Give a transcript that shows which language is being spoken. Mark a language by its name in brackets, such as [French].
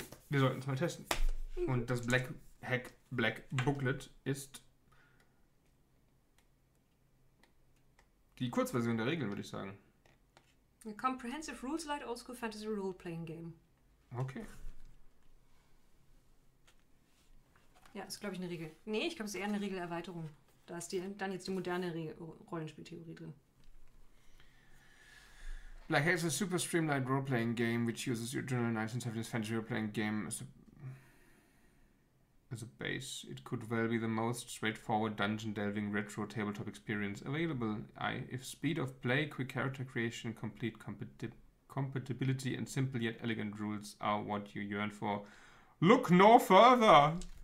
[German] Wir sollten es mal testen. Und das Black Hack Black Booklet ist die Kurzversion der Regeln, würde ich sagen. [English] A comprehensive rules light old school fantasy role playing game. Okay. [German] Ja, ist glaube ich eine Regel. Nee, ich glaube, es ist eher eine Regelerweiterung. Da ist die, dann jetzt die moderne Rollenspieltheorie drin. [English] Black Hack is a super streamlined role playing game which uses your general 1970s fantasy role playing game as a base. It could well be the most straightforward dungeon-delving retro tabletop experience available. If speed of play, quick character creation, complete compatibility and simple yet elegant rules are what you yearn for, look no further!